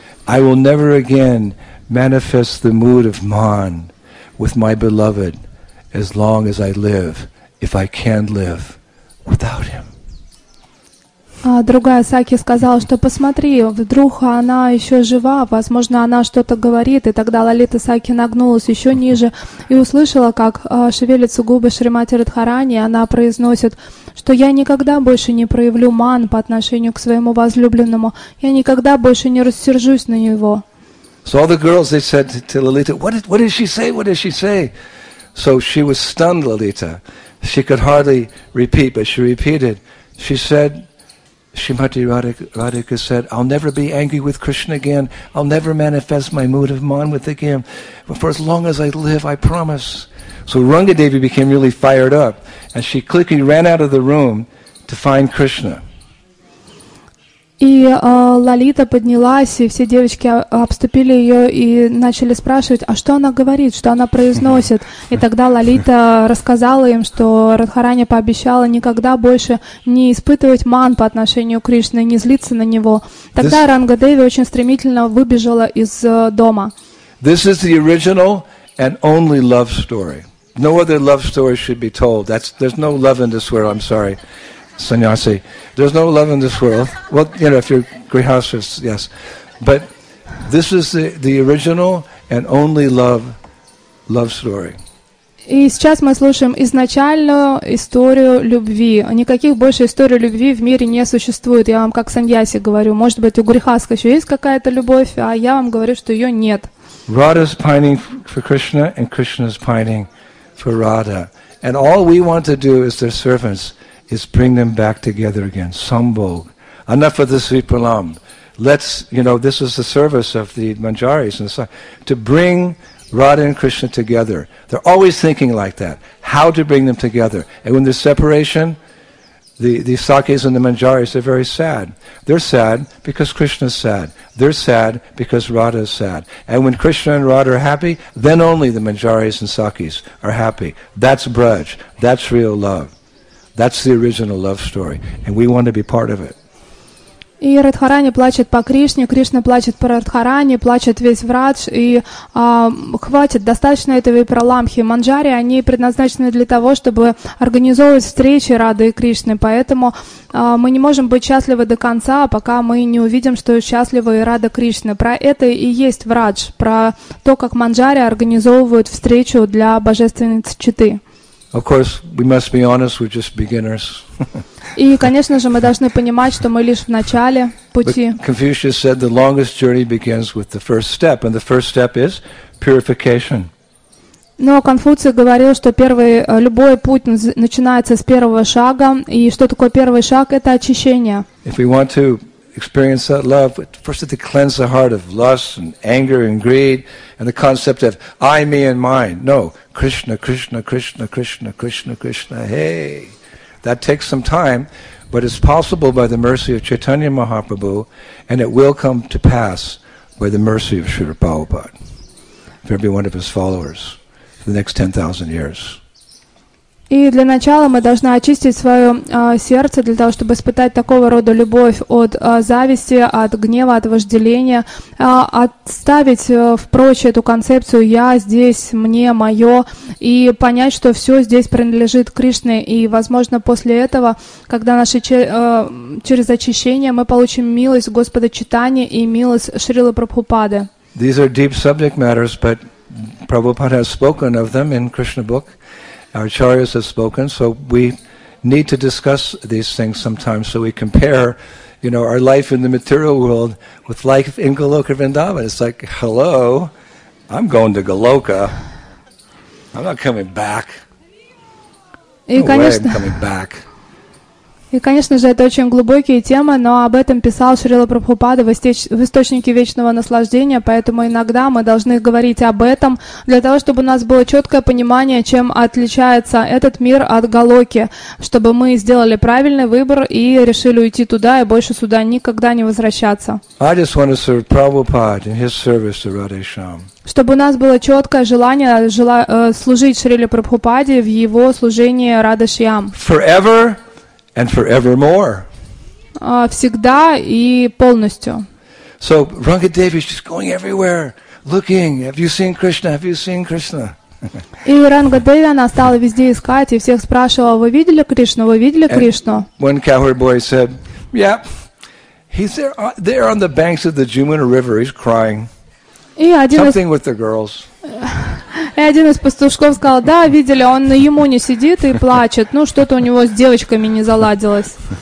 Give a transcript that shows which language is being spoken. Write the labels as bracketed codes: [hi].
[en] I will never again manifest the mood of man with my beloved as long as I live, if I can live without him." [ru] Другая Саки сказала, что посмотри, вдруг она еще жива, возможно, она что-то говорит. И тогда Лалита Саки нагнулась еще ниже и услышала, как шевелятся губы Шримати Радхарани, и она произносит, что «я никогда больше не проявлю ман по отношению к своему возлюбленному, я никогда больше не рассержусь на него». [en] So all the girls, they said to Lalita, what did she say? So she was stunned, Lalita. She could hardly repeat, but she repeated. She said, Shrimati Radhika said, "I'll never be angry with Krishna again. I'll never manifest my mood of man with again. But for as long as I live, I promise." So Rangadevi became really fired up, and she quickly ran out of the room to find Krishna. [ru] И Лалита поднялась, и все девочки обступили ее и начали спрашивать, а что она говорит, что она произносит. И тогда Лалита рассказала им, что Радхарани пообещала никогда больше не испытывать ман по отношению к Кришне, не злиться на него. Тогда Рангадеви очень стремительно выбежала из дома. [en] This is the original and only love story. No other love story should be told. There's no love in this world, I'm sorry. Sannyasi. There's no love in this world. Well, you know, if you're grihasthas, yes. But this is the original and only love story. [ru] И сейчас мы слушаем изначальную историю любви. Никаких больше историй любви в мире не существует. Я вам как Саньяси говорю. Может быть, у грихаска еще есть какая-то любовь, а я вам говорю, что ее нет. [en] Radha's pining for Krishna and Krishna's pining for Radha. And all we want to do is their servants. Is bring them back together again. Sambhog. Enough of the Sripalam. Let's, you know, this is the service of the Manjaris and so to bring Radha and Krishna together. They're always thinking like that. How to bring them together. And when there's separation, the Sakyas and the Manjaris are very sad. They're sad because Krishna's sad. They're sad because Radha's sad. And when Krishna and Radha are happy, then only the Manjaris and Sakyas are happy. That's Braj. That's real love. That's the original love story, and we want to be part of it. [ru] И Радхарани плачет по Кришне, Кришна плачет по Радхарани, плачет весь Врадж, и хватит, достаточно этого и про Ламхи. Манджари, они предназначены для того, чтобы организовывать встречи Рады и Кришны, поэтому мы не можем быть счастливы до конца, пока мы не увидим, что счастлива и Рада Кришна. Про это и есть Врадж, про то, как Манджари организовывают встречу для Божественной Читы. [en] Of course, we must be honest, we're just beginners. [ru] И, конечно же, мы должны понимать, что мы лишь в начале пути. [en] Confucius said the longest journey begins with the first step, and the first step is purification. [ru] Но Конфуций говорил, что первый любой путь начинается с первого шага, и что такое первый шаг? Это очищение. [en] If we want to experience that love, first we have to cleanse the heart of lust and anger and greed and the concept of I, me and mine. No, Krishna, Krishna, Krishna, Krishna, Krishna, Krishna, hey. That takes some time, but it's possible by the mercy of Chaitanya Mahaprabhu, and it will come to pass by the mercy of Srila Prabhupada, for every one of his followers for the next 10,000 years. [ru] И для начала мы должны очистить свое сердце для того, чтобы испытать такого рода любовь от зависти, от гнева, от вожделения, отставить впрочь эту концепцию «я здесь, мне, мое», и понять, что все здесь принадлежит Кришне. И, возможно, после этого, когда через очищение, мы получим милость Господа Читания и милость Шрилы Прабхупады. [en] These are deep subject matters, but Prabhupada has spoken of them in Krishna book. Our acharyas have spoken, so we need to discuss these things sometimes so we compare, you know, our life in the material world with life in Goloka Vrindavan. It's like, hello, I'm going to Goloka. I'm not coming back. No way I'm coming back. [ru] И, конечно же, это очень глубокие темы, но об этом писал Шрила Прабхупада в «Источнике вечного наслаждения», поэтому иногда мы должны говорить об этом для того, чтобы у нас было четкое понимание, чем отличается этот мир от Галоки, чтобы мы сделали правильный выбор и решили уйти туда и больше сюда никогда не возвращаться. [en] I just want to serve Prabhupada in his service to Radhe Shyam. [ru] Чтобы у нас было четкое желание служить Шриле Прабхупаде в его служении Радхе Шьям. [en] Forever. And forevermore. [ru] Всегда и полностью. [en] So Ranga Devi is just going everywhere, looking. Have you seen Krishna? Have you seen Krishna? [ru] И Ранга Деви она стала везде искать и всех спрашивала: вы видели Кришну? Вы видели Кришну? [en] One cowherd boy said, "Yeah, he's there on the banks of the Jumna River. He's crying." Something with the girls. [ru] И один из пастушков сказал: да, видели, он на Ямуне сидит и плачет. Ну, что-то у него с девочками не заладилось.